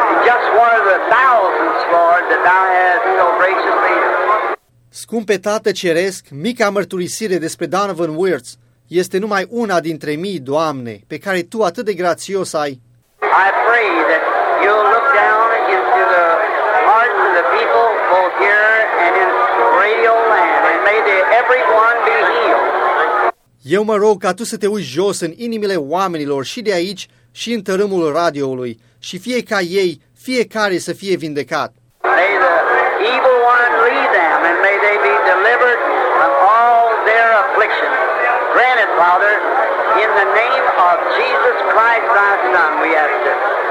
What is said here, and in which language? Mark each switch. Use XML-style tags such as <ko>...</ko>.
<en>Just one of the thousands, Lord, that thou hast so graciously.</en> <ro>Scumpe Tată Ceresc, mica mărturisire despre Donovan Wirtz este numai una dintre mii, Doamne, pe care Tu atât de grațios ai.</ro> <en>I pray that you'll look down into the hearts of the people both here and in Radio Land. may the everyone be healed.</en> <ro>Eu mă rog ca tu să te uiți jos în inimile oamenilor și de aici și în tărâmul radioului și fie ca ei, fiecare să fie vindecat.</ro> <en>May the evil one lead them and may they be delivered from all their affliction. Granted, Father, in the name of Jesus Christ, thy Son, we ask this.</en>